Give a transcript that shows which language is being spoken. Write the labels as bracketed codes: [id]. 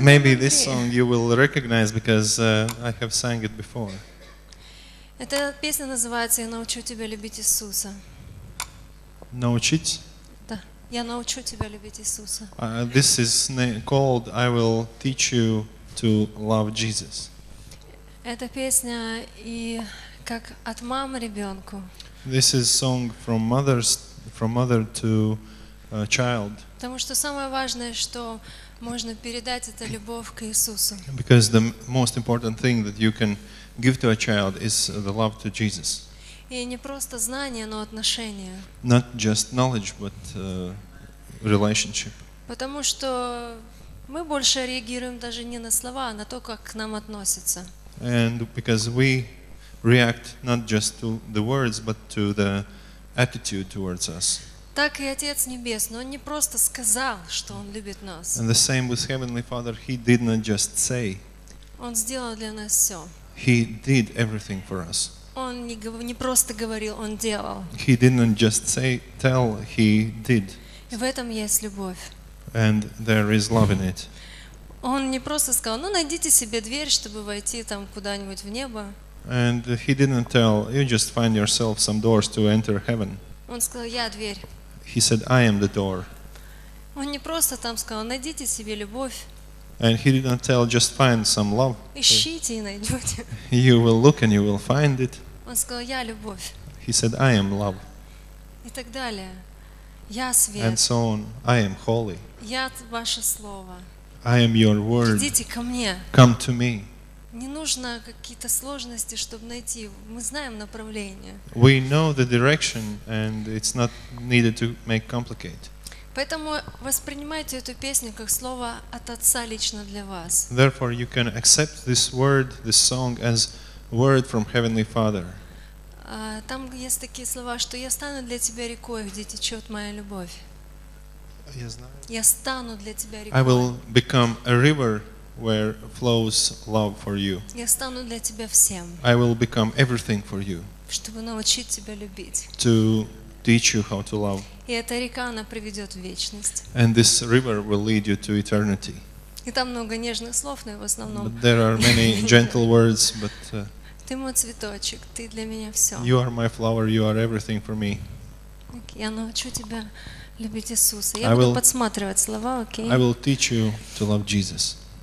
[en] Maybe this song you will recognize because I have sang it before. [ru] Эта песня называется «Я научу тебя любить Иисуса». Научить? Я научу тебя любить Иисуса. [en] This is called I will teach you to love Jesus. [ru] Эта песня и как от мамы ребенку. [en] This is song from mothers, from mother to child. [ru] Потому что самое важное, что можно передать, это любовь к Иисусу. [en] Because the most important thing that you can give to a child is the love to Jesus. [ru] И не просто знание, но отношение. [en] Not just knowledge, but relationship. [ru] Потому что мы больше реагируем даже не на слова, а на то, как к нам относятся. [en] And because we react not just to the words, but to the attitude towards us. [ru] Так и Отец Небесный, Он не просто сказал, что Он любит нас. [en] And the same with Heavenly Father, He did not just say. [ru] Он сделал для нас все. [en] He did everything for us. [ru] Он не просто говорил, он делал. [en] He didn't just say, tell, he did. [ru] И в этом есть любовь. [en] And there is love in it. [ru] Он не просто сказал, ну найдите себе дверь, чтобы войти там куда-нибудь в небо. [en] And he didn't tell, you just find yourself some doors to enter heaven. [ru] Он сказал, я дверь. [en] He said, I am the door. [ru] Он не просто там сказал, найдите себе любовь. [en] And he did not tell, just find some love. [ru] Ищите и найдете. [en] You will look and you will find it. [ru] Он сказал, я любовь. [en] He said, I am love. [ru] И так далее. Я свет. [en] And so on. I am holy. [ru] Я ваше слово. [en] I am your word. [ru] Идите ко мне. [en] Come to me. [ru] Не нужно какие-то сложности, чтобы найти. Мы знаем направление. [en] We know the direction and it's not needed to make complicated. [ru] Поэтому воспринимайте эту песню как слово от Отца лично для вас. [en] Therefore, you can accept this word, this song as word from Heavenly Father. [ru] Там есть такие слова, что я стану для тебя рекой, где течет моя любовь. Я знаю. Я стану для тебя рекой. [en] I will become a river where flows love for you. [ru] Я стану для тебя всем. [en] I will become everything for you. [ru] Чтобы научить тебя любить. [en] To teach you how to love. [ru] И эта река, она приведет в вечность. [en] And this river will lead you to eternity. [ru] И там много нежных слов, но в основном... [en] But there are many gentle words, but... [ru] Ты мой цветочек, ты для меня все. [en] You are my flower, you are everything for me. [ru] Я научу тебя любить Иисуса. Я буду подсматривать слова, окей? [en] I will teach you to love Jesus.